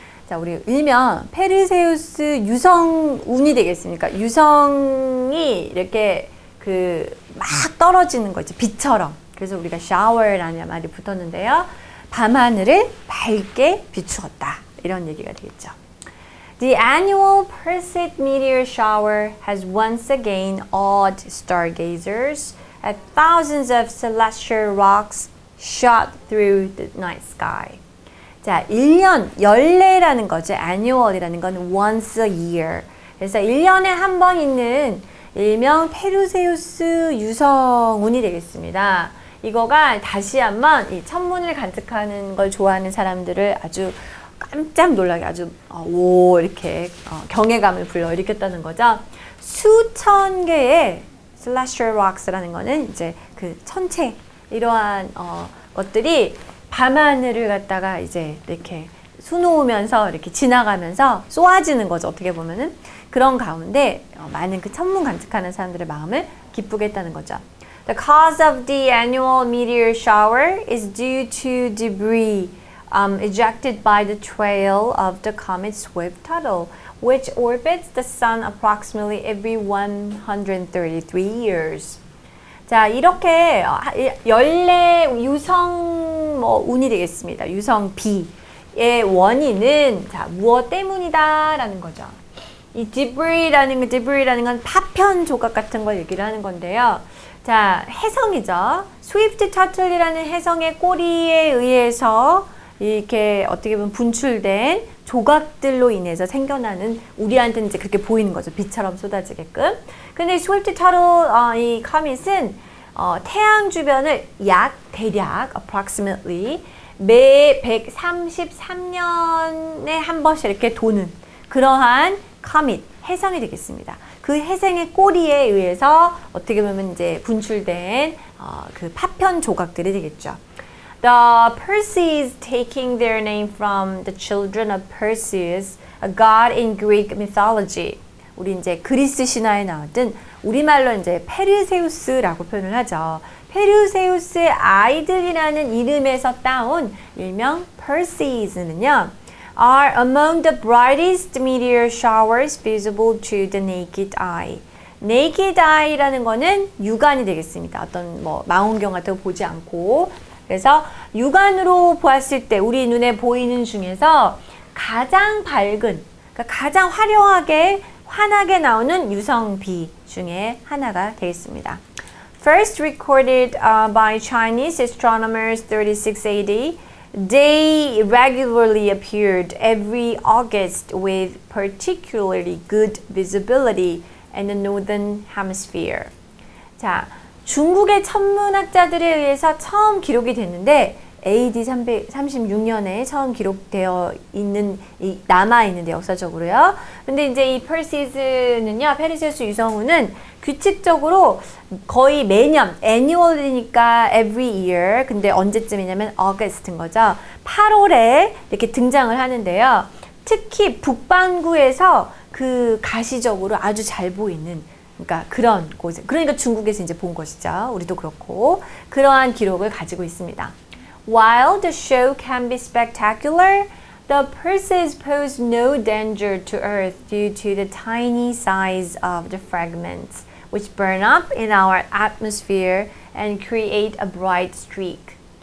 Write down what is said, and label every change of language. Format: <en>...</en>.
<ko>자, 우리 일명 페르세우스 유성운이 되겠습니까? 유성이 이렇게 그 막 떨어지는 거 있죠. 빛처럼. 그래서 우리가 shower라는 말이 붙었는데요. 밤하늘을 밝게 비추었다. 이런 얘기가 되겠죠.</ko> <en>The annual Perseid meteor shower has once again awed stargazers as thousands of celestial rocks shot through the night sky.</en> <ko>자, 1년 연례라는 거죠. annual이라는 건</ko> <en>once a year.</en> <ko>그래서 1년에 한 번 있는 일명 페르세우스 유성운이 되겠습니다. 이거가 다시 한번 이 천문을 관측하는 걸 좋아하는 사람들을 아주 깜짝 놀라게 아주 오 이렇게 경외감을 불러일으켰다는 거죠. 수천 개의 celestial rocks라는 거는 이제 그 천체 이러한 것들이 밤하늘을 갖다가 이제 이렇게 수놓으면서 이렇게 지나가면서 쏘아지는 거죠. 어떻게 보면은 그런 가운데 많은 그 천문 관측하는 사람들의 마음을 기쁘게 했다는 거죠.</ko> <en>The cause of the annual meteor shower is due to debris ejected by the trail of the comet Swift Tuttle, which orbits the sun approximately every 133 years.</en> <ko>자, 이렇게 연례 유성 뭐 운이 되겠습니다. 유성 비의 원인은 자, 무엇 때문이다라는 거죠. 이 debris라는 건 파편 조각 같은 걸 얘기를 하는 건데요. 자, 혜성이죠. Swift Tuttle이라는 혜성의 꼬리에 의해서 이렇게 어떻게 보면 분출된 조각들로 인해서 생겨나는 우리한테는 이제 그렇게 보이는 거죠. 빛처럼 쏟아지게끔. 근데 Swift Tuttle 이 comet은 태양 주변을 약 대략 approximately 매 133년에 한 번씩 이렇게 도는 그러한 comet, 혜성이 되겠습니다. 그 혜성의 꼬리에 의해서 어떻게 보면 이제 분출된 그 파편 조각들이 되겠죠.</ko> <en>The Perseids taking their name from the children of Perseus, a god in Greek mythology.</en> <ko>우리 이제 그리스 신화에 나왔던 우리말로 이제 페르세우스라고 표현을 하죠. 페르세우스의 아이들이라는 이름에서 따온 일명 Perseids는요.</ko> <en>are among the brightest meteor showers visible to the naked eye.</en> <ko>Naked eye라는 거는 육안이 되겠습니다. 어떤 뭐 망원경 같은 거 보지 않고 그래서 육안으로 보았을 때 우리 눈에 보이는 중에서 가장 밝은, 그러니까 가장 화려하게 환하게 나오는 유성비 중에 하나가 되겠습니다.</ko> <en>First recorded by Chinese astronomers 36 AD, They regularly appeared every August with particularly good visibility in the northern hemisphere.</en> <ko>자, 중국의 천문학자들에 의해서 처음 기록이 됐는데 AD 336년에 처음 기록되어 있는 이 남아 있는데 역사적으로요. 근데 이제 이 Perseids는요. 페르세우스 유성운은 규칙적으로 거의 매년 annual이니까</ko> <en>every year</en> <ko>근데 언제쯤이냐면 August인 거죠. 8월에 이렇게 등장을 하는데요. 특히 북반구에서 그 가시적으로 아주 잘 보이는 그러니까 그런 곳에 그러니까 중국에서 이제 본 것이죠. 우리도 그렇고 그러한 기록을 가지고 있습니다.</ko> <en>While the show can be spectacular, the Perseids pose no danger to Earth due to the tiny size of the fragments. which burn up in our atmosphere and create a bright streak.</en>